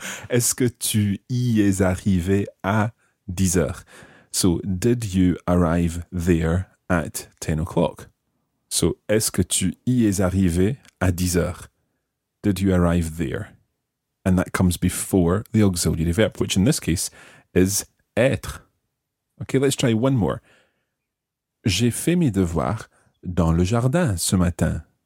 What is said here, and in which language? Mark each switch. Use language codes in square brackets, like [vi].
[fr] Est-ce que tu y es arrivé à 10 heures? [en] So, did you arrive there at 10 o'clock? [fr] So, est-ce que tu y es arrivé à 10 heures? [en] Did you arrive there? And that comes before the auxiliary verb, which in this case is être. Okay, let's try one more. [fr] J'ai fait mes devoirs dans le jardin ce matin.